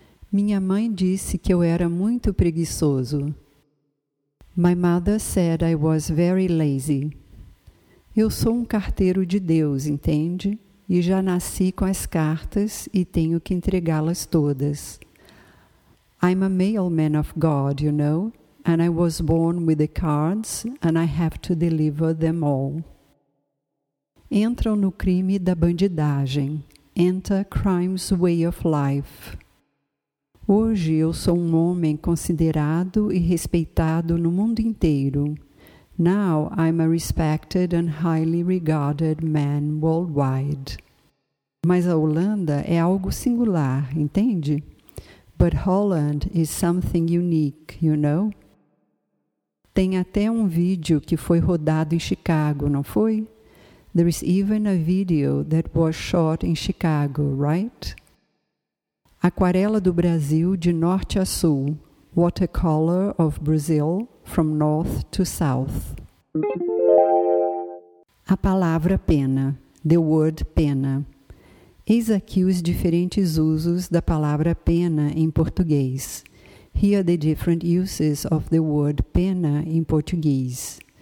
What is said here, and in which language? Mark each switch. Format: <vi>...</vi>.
<pt>Minha mãe disse que eu era muito preguiçoso.</pt> <en>My mother said I was very lazy.</en> <pt>Eu sou um carteiro de Deus, entende? E já nasci com as cartas e tenho que entregá-las todas.</pt> <en>I'm a mailman of God, you know, and I was born with the cards and I have to deliver them all. Entram no crime da bandidagem. Enter crime's way of life.</en> <pt>Hoje eu sou um homem considerado e respeitado no mundo inteiro.</pt> <en>Now I'm a respected and highly regarded man worldwide.</en> <pt>Mas a Holanda é algo singular, entende?</pt> <en>But Holland is something unique, you know?</en> <pt>Tem até um vídeo que foi rodado em Chicago, não foi?</pt> <en>There is even a video that was shot in Chicago, right?</en> <pt>Aquarela do Brasil de norte a sul.</pt> <en>Watercolor of Brazil from north to south.</en> <pt>A palavra pena.</pt> <en>The word pena.</en> <pt>Eis aqui os diferentes usos da palavra pena em português.</pt> <en>Here are the different uses of the word pena in Portuguese.</en>